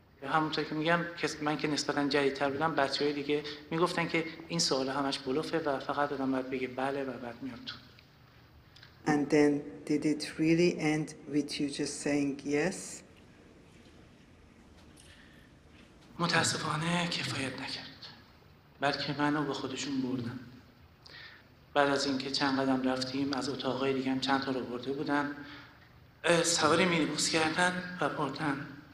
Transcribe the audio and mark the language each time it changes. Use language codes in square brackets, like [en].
[fa] همونطور که میگم من که نسبتاً جدیدتر بودم، بچه‌های دیگه میگفتن که این سوال همش بلوفه و فقط آدم باید بگه بله و بعد میاد تو. [en] And then did it really end with you just saying yes? [fa] متاسفانه کفایت نکرد، بلکه منو به خودشون بردن. بعد از اینکه چند قدم رفتیم از اتاقای دیگه هم چند تا رو برده بودن، سوار مینیبوس کردن و بردن.